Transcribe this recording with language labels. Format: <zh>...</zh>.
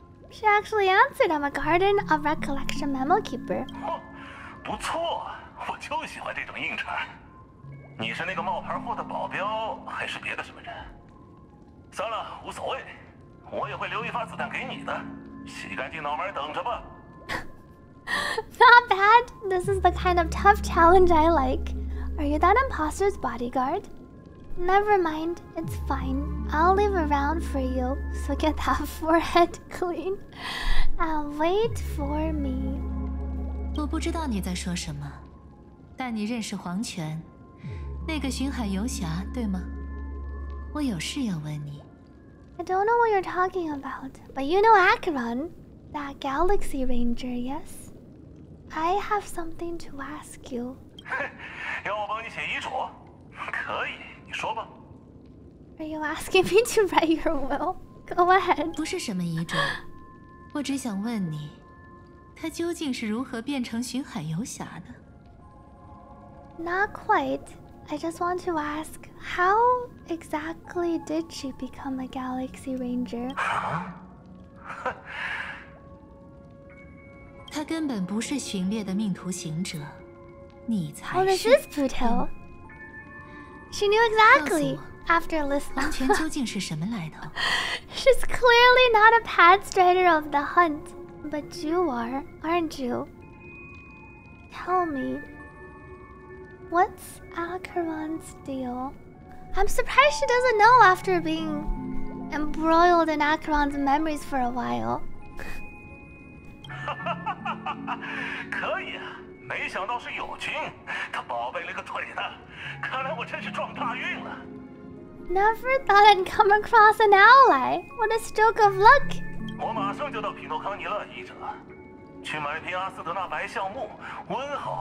<en>She actually answered, I'm a garden of recollection memo keeper.</en> <zh>不错，我就喜欢这种硬茬。你是那个冒牌货的保镖，还是别的什么人？算了，无所谓，我也会留一发子弹给你的。洗干净脑门，等着吧。</zh> <en>Not bad. This is the kind of tough challenge I like. Are you that imposter's bodyguard? Never mind, it's fine. I'll leave around for you, so get that forehead clean. And wait for me.</en> <zh>我不知道你在说什么，但你认识黄泉，那个巡海游侠，对吗？我有事要问你。</zh> <en>I don't know what you're talking about, but you know Acheron, that galaxy ranger, yes? I have something to ask you.</en> <zh>要我帮你写遗嘱？可以。</zh> <en>Are you asking me to write your will? Go ahead.</en> <zh>不是什么遗嘱，我只想问你，他究竟是如何变成巡海游侠的？</zh> <en>Not quite. I just want to ask, how exactly did she become a galaxy ranger?</en> <zh>他根本不是巡猎的命途行者，你才是。</zh> <en>Oh, this is Butil. She knew exactly after listening. She's clearly not a pad strider of the hunt, but you are, aren't you? Tell me, what's Acheron's deal? I'm surprised she doesn't know after being embroiled in Acheron's memories for a while.</en> <zh>可以啊，没想到是友军，他宝贝了个腿呢。</zh> <en>Never thought I'd come across an ally. What a stroke of luck!</en> <zh>我马上就到皮诺康尼了，译者。去买瓶阿斯德纳白橡木，温好。</zh>